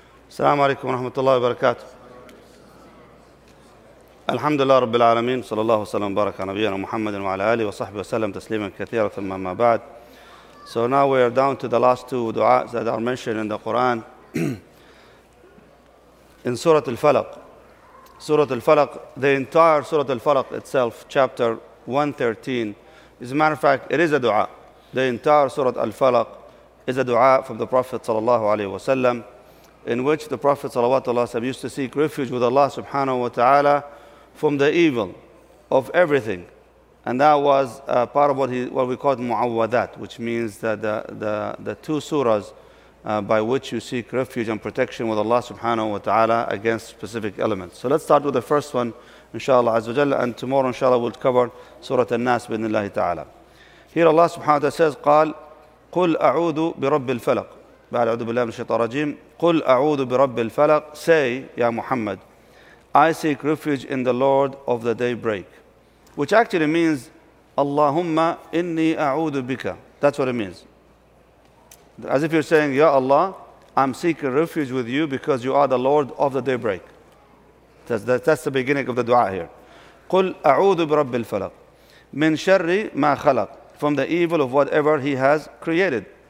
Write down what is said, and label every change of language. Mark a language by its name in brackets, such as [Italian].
[Arabic] السلام عليكم ورحمة الله وبركاته. الحمد لله رب العالمين، صلى الله وسلم وبارك على نبينا محمد وعلى آله وصحبه وسلم تسليما كثيرا. ثم ما بعد. [English] So now we are down to the last two du'as that are mentioned in the Quran. In Surah Al-Falaq. Surah Al-Falaq, the entire Surah Al-Falaq itself, chapter 113. As a matter of fact, it is a du'a. The entire Surah Al-Falaq is a du'a from the Prophet صلى الله عليه وسلم, in which the Prophet sallallahu alaihi wasallam used to seek refuge with Allah subhanahu wa ta'ala from the evil of everything. And that was part of what we called mu'awwadat, which means that the two surahs by which you seek refuge and protection with Allah subhanahu wa ta'ala against specific elements. So let's start with the first one, inshallah azza wa jalla, and tomorrow inshallah we'll cover Surah An-Nas bi'nillahi ta'ala. Here Allah subhanahu wa ta'ala says, [Arabic] قال قل أعوذ برب الفلق. بعد أعوذ بالله من الشيطان الرجيم. قل أعوذ برب الفلق. [English] Say, Ya Muhammad, I seek refuge in the Lord of the daybreak. Which actually means, [Arabic] اللهم إني أعوذ بك. [English] That's what it means. As if you're saying, Ya Allah, I'm seeking refuge with you because you are the Lord of the daybreak. That's the beginning of the dua here. [Arabic] قل أعوذ برب الفلق. من شر ما خلق. [English] From the evil of whatever he has created.